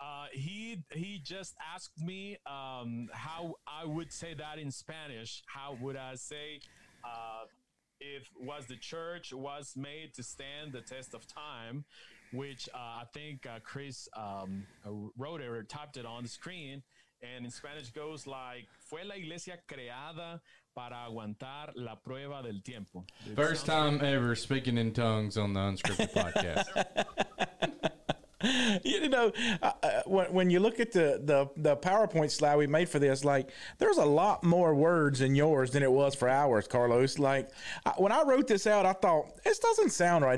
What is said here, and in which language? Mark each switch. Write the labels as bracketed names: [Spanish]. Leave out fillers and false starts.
[English] He just asked me how I would say that in Spanish. How would I say if was the church was made to stand the test of time, which I think Chris wrote it or typed it on the screen. And in Spanish goes like, [Spanish] fue la iglesia creada para aguantar la prueba del tiempo. [English] First time ever speaking in tongues on the Unscripted Podcast. You know, when you look at the PowerPoint slide we made for this, like, there's a lot more words in yours than it was for ours, Carlos. Like, when I wrote this out, I thought, this doesn't sound right.